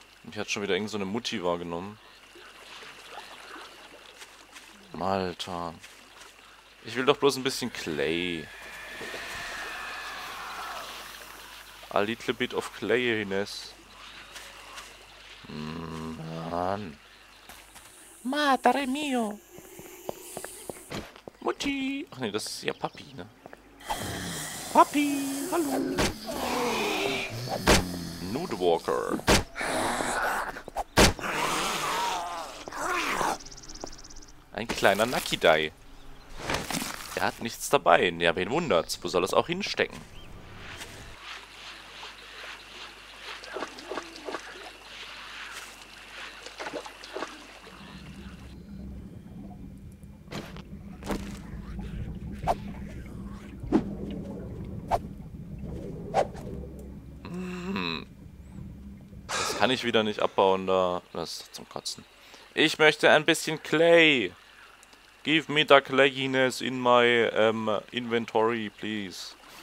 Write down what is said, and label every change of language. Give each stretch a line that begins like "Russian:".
German: Ich hatte schon wieder irgend so eine Mutti wahrgenommen. Malta. Ich will doch bloß ein bisschen Clay.
English: A little bit of clay, Ines.
German: Mann.
Spanish: Madre mio.
German: Mutti. Ach nee, das ist ja Papi, ne? Papi, hallo.
English: Nude Walker.
German: Ein kleiner Nakidai. Er hat nichts dabei. Ja, wen wundert's? Wo soll es auch hinstecken? Das kann ich wieder nicht abbauen da. Das ist zum Kotzen. Ich möchte ein bisschen Clay.
English: Give me the clayiness in my inventory, please.